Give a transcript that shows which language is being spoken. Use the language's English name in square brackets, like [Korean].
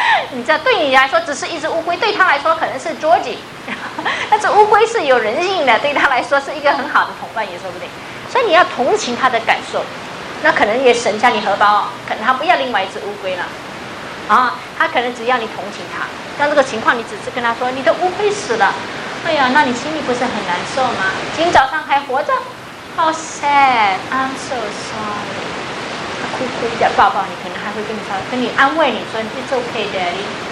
[Chinese] 你知道，对你来说只是一只乌龟，对他来说可能是 George， 那只乌龟是有人性的，对他来说是一个很好的同伴也说不定。所以你要同情他的感受，那可能也省下你荷包、哦，可能他不要另外一只乌龟了。啊，他可能只要你同情他，但这个情况你只是跟他说你的乌龟死了，哎呀，那你心里不是很难受吗？今早上还活着，好 [English] sad， I'm so sorry。 [Chinese] 他哭哭一点，抱抱你，可能还会跟你说，跟你安慰你说 ， [English] It's okay, Daddy。